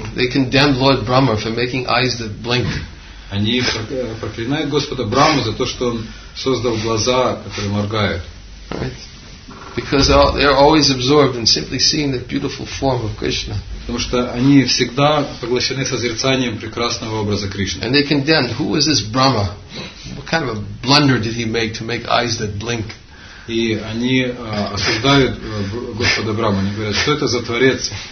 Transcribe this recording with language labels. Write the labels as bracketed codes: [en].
[en] They condemned Lord Brahma for making eyes that blink. [ru] Они проклинают Господа Брахму за то, что он создал глаза, которые моргают. [en] Right. Because they are always absorbed in simply seeing the beautiful form of Krishna. [ru] Потому что они всегда поглощены созерцанием прекрасного образа Кришны. [en] And they condemned, who is this Brahma? What kind of a blunder did he make to make eyes that blink? [ru] И они осуждают Господа Брахму. Они говорят, что это за творец?